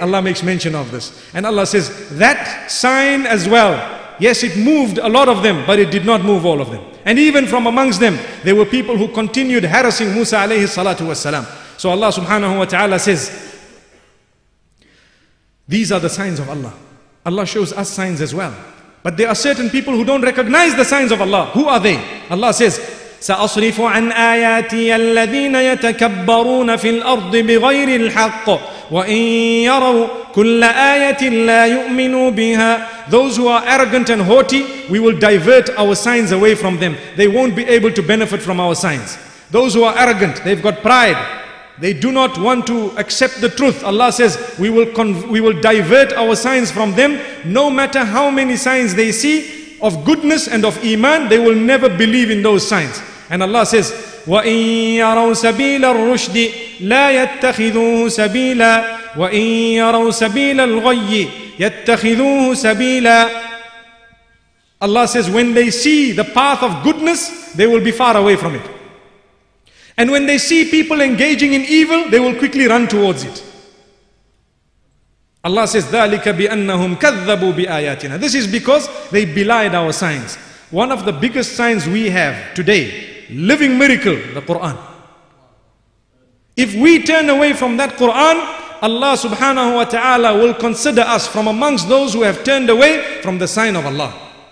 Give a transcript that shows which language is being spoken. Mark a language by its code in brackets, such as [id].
[en] Allah makes mention of this. And Allah says, that sign as well, yes, it moved a lot of them, but it did not move all of them. And even from amongst them, there were people who continued harassing Musa alayhi salatu wasalam. So Allah subhanahu wa ta'ala says, these are the signs of Allah. Allah shows us signs as well. But there are certain people who don't recognize the signs of Allah. Who are they? Allah says, [ar] سَأَصْرِفُ عَنْ آيَاتِيَ الَّذِينَ يَتَكَبَّرُونَ فِي الْأَرْضِ بِغَيْرِ الْحَقِّ وَإِن يَرَوْا كُلَّ آيَةٍ لَا يُؤْمِنُوا بِهَا. [en] Those who are arrogant and haughty, we will divert our signs away from them. They won't be able to benefit from our signs. Those who are arrogant, they've got pride. They do not want to accept the truth. Allah says, we will divert our signs from them. No matter how many signs they see of goodness and of iman, they will never believe in those signs. And Allah says, [ar] وَإِن يَرَوْا سَبِيلَ الرُّشْدِ لَا يَتَّخِذُوهُ سَبِيلًا وَإِن يَرَوْا سَبِيلَ الْغَيِّ يَتَّخِذُوهُ سَبِيلًا. [en] Allah says, when they see the path of goodness, they will be far away from it. And when they see people engaging in evil, they will quickly run towards it. Allah says, [ar] ذَلِكَ بِأَنَّهُمْ كَذَّبُوا بِآيَاتِنَا. [en] This is because they belied our signs. One of the biggest signs we have today, living miracle, the Quran. If we turn away from that Quran, Allah subhanahu wa ta'ala will consider us from amongst those who have turned away from the sign of Allah.